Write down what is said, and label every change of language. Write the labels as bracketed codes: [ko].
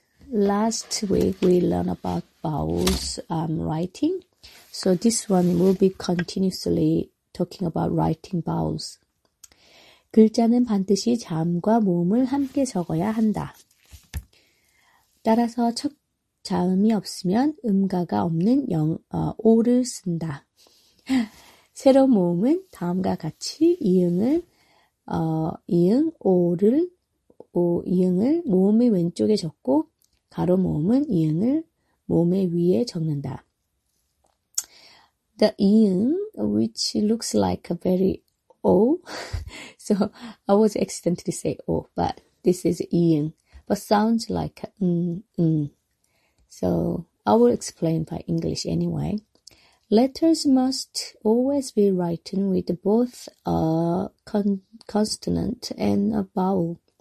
[en] Last week we learned about vowels writing. So this one will be continuously talking about writing vowels. [ko] 글자는 반드시 자음과 모음을 함께 적어야 한다. 따라서 첫 자음이 없으면 음가가 없는 오를 쓴다. 새로운 모음은 다음과 같이 이응을 모음의 왼쪽에 적고 가로 모음은 이응을 모음의 위에 적는다. [en] The 이응, which looks like a very O, so I was accidentally say O, but this is 이응, but sounds like 응. So I will explain by English anyway. Letters must always be written with both a consonant and a vowel.